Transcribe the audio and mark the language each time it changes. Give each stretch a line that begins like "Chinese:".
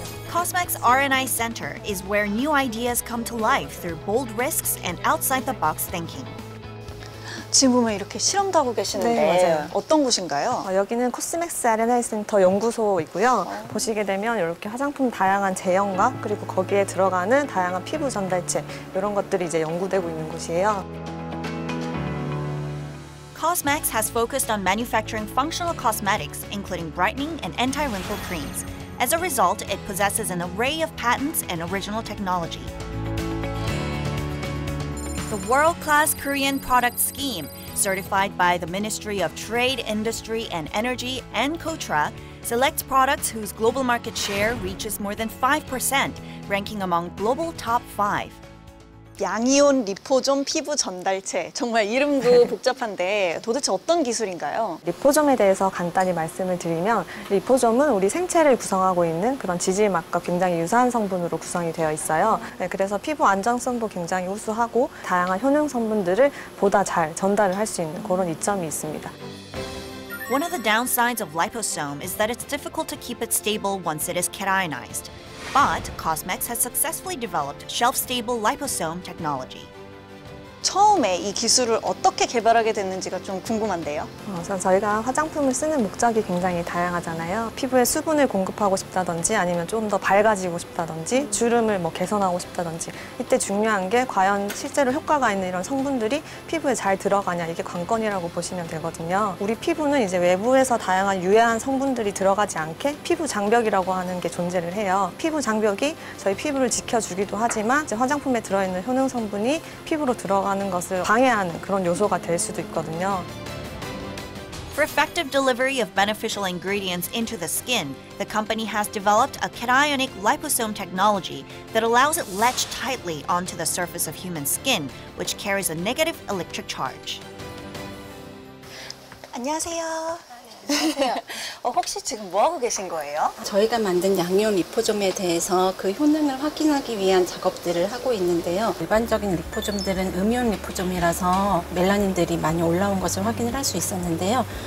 English: 코스맥 R&I Center is where new ideas come to life through bold risks and outside the box thinking.
Korean: 지금 보면 이렇게 실험도 하고 계시는데 네, 어떤 곳인가요? 여기는 코스맥스 R&I 센터 연구소이고요. 보시게 되면 이렇게 화장품 다양한 제형과 그리고 거기에 들어가는 다양한 피부 전달체 이런 것들이 이제 연구되고 있는 곳이에요.
English: Cosmax has focused on manufacturing functional cosmetics, including brightening and anti-wrinkle creams. As a result, it possesses an array of patents and original technology. The world-class Korean product scheme, certified by the Ministry of Trade, Industry, and Energy and KOTRA, selects products whose global market share reaches more than 5%, ranking among global top 5.
Korean: 양이온 리포좀 피부 전달체, 정말 이름도 복잡한데 도대체 어떤 기술인가요? 리포좀에 대해서 간단히 말씀을 드리면 리포좀은 우리 생체를 구성하고 있는 그런 지질막과 굉장히 유사한 성분으로 구성이 되어 있어요. 네, 그래서 피부 안정성도 굉장히 우수하고 다양한 효능 성분들을 보다 잘 전달을 할 수 있는 그런 이점이 있습니다.
English: One of the downsides of liposome is that it's difficult to keep it stable once it is cationized. But Cosmax has successfully developed shelf-stable liposome technology.
Korean: 처음에 이 기술을 어떻게 개발하게 됐는지가 좀 궁금한데요. 우선 저희가 화장품을 쓰는 목적이 굉장히 다양하잖아요. 피부에 수분을 공급하고 싶다든지 아니면 좀 더 밝아지고 싶다든지 주름을 뭐 개선하고 싶다든지 이때 중요한 게 과연 실제로 효과가 있는 이런 성분들이 피부에 잘 들어가냐 이게 관건이라고 보시면 되거든요. 우리 피부는 이제 외부에서 다양한 유해한 성분들이 들어가지 않게 피부 장벽이라고 하는 게 존재를 해요. 피부 장벽이 저희 피부를 지켜주기도 하지만 이제 화장품에 들어있는 효능 성분이 피부로 들어 하는 것을 방해하는 그런 요소가 될 수도 있거든요.
English: For effective delivery of beneficial ingredients into the skin, the company has developed a cationic liposome technology that allows it latch tightly onto the surface of human skin, which carries a negative electric charge.
Korean: 안녕하세요. 혹시 지금 뭐 하고 계신 거예요? 저희가 만든 양이온 리포좀에 대해서 그 효능을 확인하기 위한 작업들을 하고 있는데요. 일반적인 리포좀들은 음이온 리포좀이라서 멜라닌들이 많이 올라온 것을 확인을 할 수 있었는데요.